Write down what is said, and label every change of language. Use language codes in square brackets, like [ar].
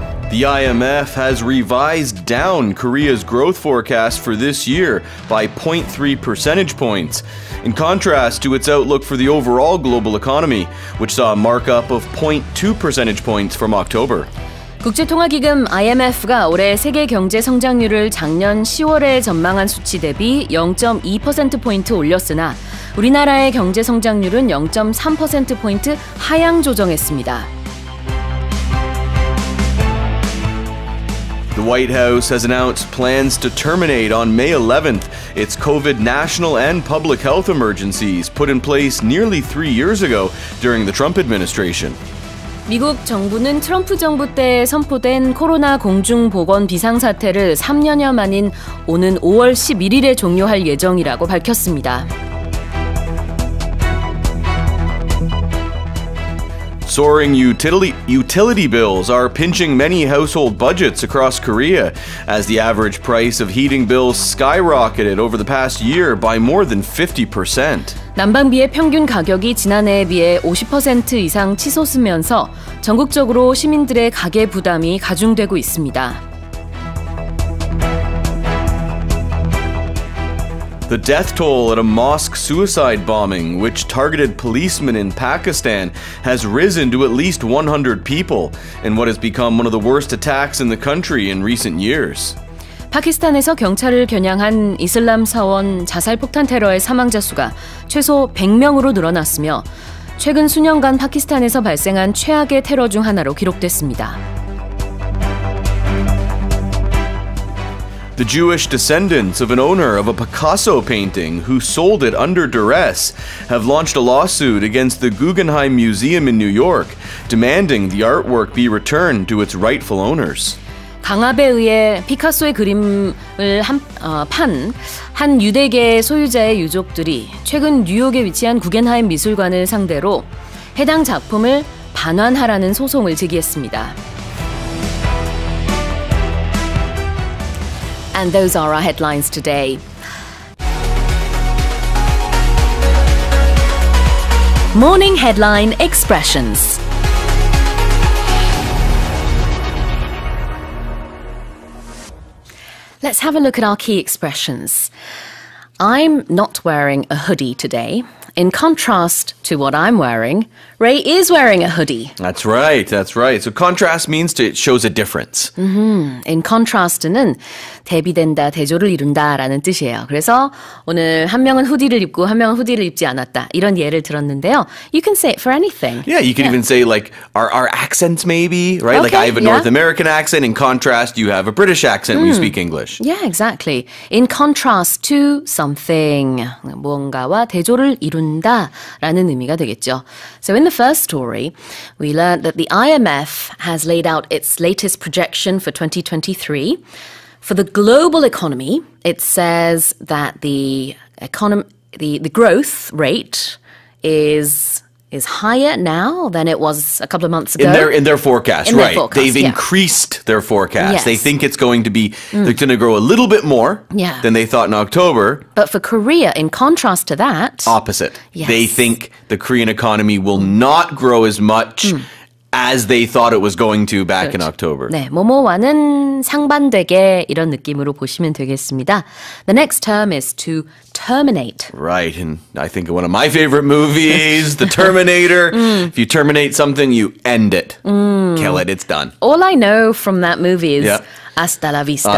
[en] The IMF has revised down Korea's growth forecast for this year by 0.3 percentage points. In contrast to its outlook for the overall global economy, which saw a markup of 0.2 percentage points from October. [ko] 국제통화기금 IMF가 올해 세계 경제 성장률을 작년 10월에 전망한 수치 대비 0.2%포인트 올렸으나 우리나라의 경제 성장률은 0.3%포인트 하향 조정했습니다. [en] The White House has announced plans to terminate on May 11th its COVID national and public health emergencies put in place nearly 3 years ago during the Trump administration. [ko] 미국 정부는 트럼프 정부 때 선포된 코로나 공중보건 비상사태를 3년여 만인 오는 5월 11일에 종료할 예정이라고 밝혔습니다. [en] Soaring utility bills are pinching many household budgets across Korea as the average price of heating bills skyrocketed over the past year by more than 50%. [ko] 난방비의 평균 가격이 지난해에 비해 50% 이상 치솟으면서 전국적으로 시민들의 가계 부담이 가중되고 있습니다. [en] The death toll at a mosque suicide bombing, which targeted policemen in Pakistan, has risen to at least 100 people in what has become one of the worst attacks in the country in recent years. [ko] 파키스탄에서 경찰을 겨냥한 이슬람 사원 자살 폭탄 테러의 사망자 수가 최소 100명으로 늘어났으며 최근 수년간 파키스탄에서 발생한 최악의 테러 중 하나로 기록됐습니다. [en] The Jewish descendants of an owner of a Picasso painting who sold it under duress have launched a lawsuit against the Guggenheim Museum in New York, demanding the artwork be returned to its rightful owners. [ko] 강압에 의해 피카소의 그림을 판 한 유대계 소유자의 유족들이 최근 뉴욕에 위치한 구겐하임 미술관을 상대로 해당 작품을 반환하라는 소송을 제기했습니다. [en] And those are our headlines today. Morning Headline Expressions. Let's have a look at our key expressions. I'm not wearing a hoodie today in contrast to what I'm wearing, Ray is wearing a hoodie. That's right. That's right. So contrast means to, it shows a difference. [ko] Mm-hmm. In contrast는 대비된다, 대조를 이룬다라는 뜻이에요. 그래서 오늘 한 명은 후디를 입고 한 명은 후디를 입지 않았다. 이런 예를 들었는데요. [en] You can say it for anything. Yeah, you can even say like our accents maybe, right? like I have a North American accent. In contrast, you have a British accent when you speak English. Yeah, exactly. In contrast to something. [ko] 무언가와 대조를 이룬다라는 의미가 되겠죠. [en] So in the first story, we learned that the IMF has laid out its latest projection for 2023. For the global economy, it says that the growth rate is higher now than it was a couple of months ago. In their forecast, in right. Their forecast, they've increased their forecast. Yes. They think it's going to be they're going to grow a little bit more than they thought in October. But for Korea, in contrast to that, opposite. They think the Korean economy will not grow as much as they thought it was going to back in October. [ko] 네, 모모와는 상반되게 이런 느낌으로 보시면 되겠습니다. [en] The next term is to terminate. Right, and I think one of my favorite movies, The Terminator. If you terminate something, you end it. Kill it, it's done. All I know from that movie is hasta la vista, baby.